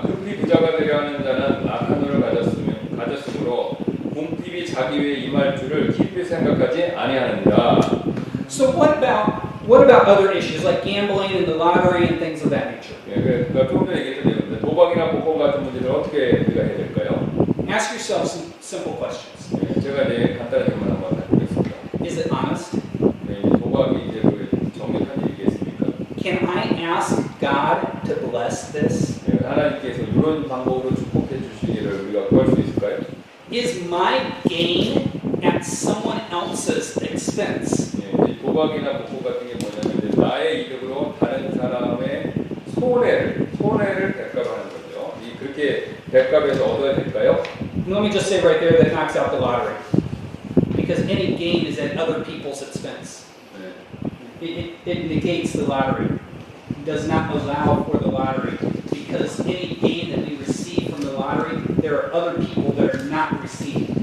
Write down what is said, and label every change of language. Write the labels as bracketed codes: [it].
[ko] 부자가 되려 하는 자는 악한 눈을 가졌으므로 궁핍이 자기 위에 임할 줄을 깊이 생각하지 아니하느니라. [en] So what about other issues like gambling and the lottery and things of that nature? [ko] 예, 그러니까 조금 전에 얘기했던 도박이나 복권 같은 문제를 어떻게 우리가 해야 될까요? [en] Ask yourself some simple questions. [ko] 예, 제가 이제 간단한 질문 한번 해보겠습니다. [en] Is it honest? [ko] 네, 도박이 이제 그 정직한 얘기겠습니까? [en] Can I ask God to bless this? [ko] 하나님께서 이런 방법으로 축복해 주시기를 우리가 구할 수 있을까요? [en] Is my gain at someone else's expense? [ko] 예, 도박이나 복권 같은 게 뭐냐면 나의 이득으로 다른 사람의 손해를 대가로 하는 거죠. 이 그렇게 대가에서 얻어야 될까요? [en] Let me just say right there that knocks out the lottery. Because any gain is at other people's expense. It negates the lottery. It does not allow for the lottery. Because any gain that we receive from the lottery, there are other people that are not receiving.